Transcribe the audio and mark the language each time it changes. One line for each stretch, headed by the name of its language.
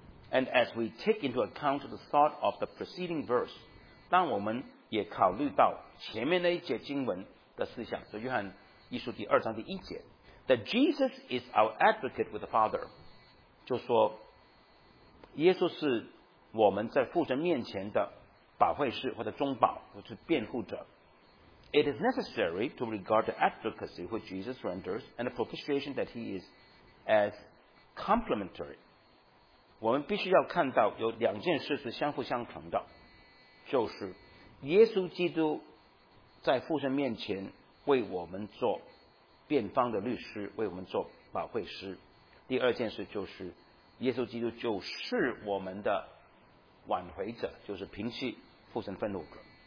English: And as we take into account the thought of the preceding verse，
Chinese: 当我们也考虑到前面那一节经文的思想，所以约翰一书第二章第一节
English: That Jesus is our advocate with the Father，
Chinese: 就说耶稣是我们在父神面前的保惠师或者中保或者辩护者。
English: It is necessary to regard the advocacy which Jesus renders and the propitiation that he is as complementary。
Chinese: 我们必须要看到有两件事是相互相成的，就是耶稣基督在父神面前为我们做辩方的律师，为我们做保惠师。第二件事就是耶稣基督就是我们的挽回者，就是平息父神愤怒者。